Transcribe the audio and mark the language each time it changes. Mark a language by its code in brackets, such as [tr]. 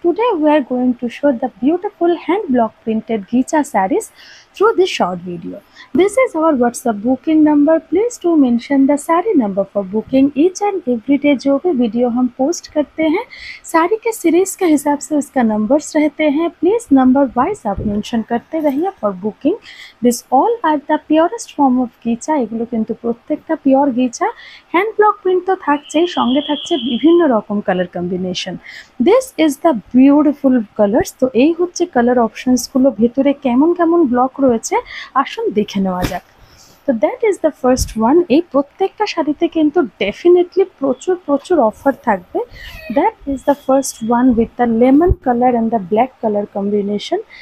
[en] Today we are going to show the beautiful hand block printed Gicha saris through this short video. This is our WhatsApp booking number. Please do mention the sari number for booking each and every day. [hi] जो भी video हम post करते हैं साड़ी के series के हिसाब से उसका नंबर्स रहते हैं. प्लीज नंबर वाइज आप मेंशन करते रहिए for booking. [en] This all are the purest form of गीचा. [bn] एगुलो किंतु प्रत्येकटा प्योर गीचा हैंड ब्लॉक प्रिंट तो থাকছেই, সঙ্গে থাকছে বিভিন্ন রকম colour combination. [en] This is the beautiful colours. [bn] তো এই হচ্ছে কালার অপশনসগুলো, ভেতরে কেমন কেমন ব্লক রয়েছে আসুন দেখে নেওয়া যাক. [en] তো that is the first one. [bn] এই প্রত্যেকটা শাড়িতে কিন্তু ডেফিনেটলি প্রচুর প্রচুর অফার থাকবে. [en] That is the first one with the lemon colour and the black colour combination.